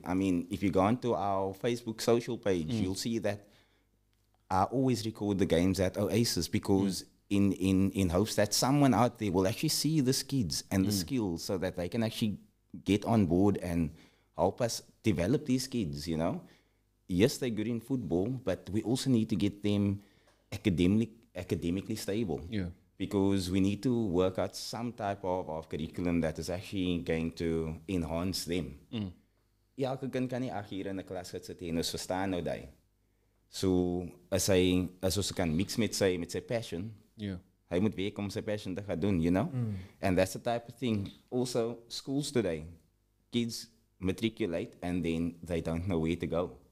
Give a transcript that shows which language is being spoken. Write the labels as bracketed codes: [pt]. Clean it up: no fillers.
[en] I mean, if you go onto our Facebook social page, you'll see that I always record the games at Oasis, because in hopes that someone out there will actually see the skids and the skills, so that they can actually get on board and help us develop these kids, you know. Yes, they're good in football, but we also need to get them academically stable. Yeah. Because we need to work out some type of curriculum that is actually going to enhance them. [af] Elke kind kan nie agter in 'n klas gaan sit en ons verstaan nou daai. So as ons kan mix met sy passion, hy moet werk om sy passion te gaan doen, [en] you know? Mm. And that's the type of thing. Also, schools today, kids matriculate and then they don't know where to go.